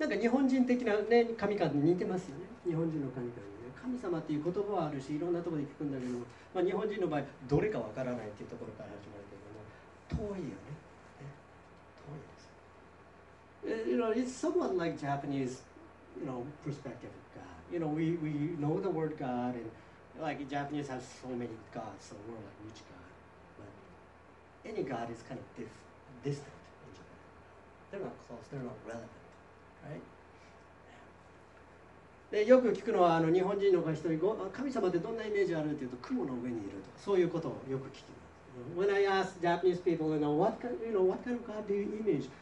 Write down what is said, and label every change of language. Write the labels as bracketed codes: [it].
[ja] なんか日本人的な、ね、神様に似てますよね。日本人の神様にね。神様っていう言葉はあるし、いろんなところで聞くんだけど、まあ、日本人の場合、どれかわからないっていうところから始まるけども、遠いよね。遠いです。 [en] You know, it's somewhat like Japanese, you know, perspective of God. You know, we know the word God, and like Japanese have so many gods, so we're like, which God? But any God is kind of distant in Japan. They're not close, they're not relevant, right? [ja] で、よく聞くのは、あの日本人の人に、神様ってどんなイメージあるっていうと、雲の上にいるとか、そういうことをよく聞きます。 [en] When I ask Japanese people, you know, what kind of God do you image?